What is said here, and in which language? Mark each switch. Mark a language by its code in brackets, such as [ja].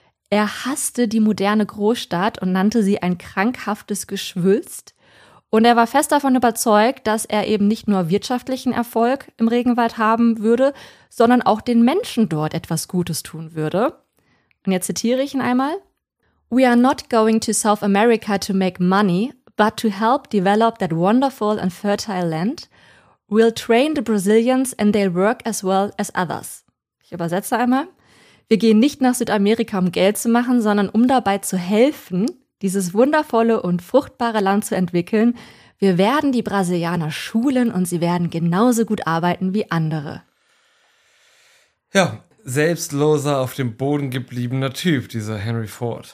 [de] Er hasste die moderne Großstadt und nannte sie ein krankhaftes Geschwülst. Und er war fest davon überzeugt, dass er eben nicht nur wirtschaftlichen Erfolg im Regenwald haben würde, sondern auch den Menschen dort etwas Gutes tun würde. Und jetzt zitiere ich ihn einmal. [en] We are not going to South America to make money, but to help develop that wonderful and fertile land. We'll train the Brazilians and they'll work as well as others. [de] Ich übersetze einmal. Wir gehen nicht nach Südamerika, um Geld zu machen, sondern um dabei zu helfen, dieses wundervolle und fruchtbare Land zu entwickeln. Wir werden die Brasilianer schulen und sie werden genauso gut arbeiten wie andere. Ja, selbstloser, auf dem Boden gebliebener Typ, dieser Henry Ford.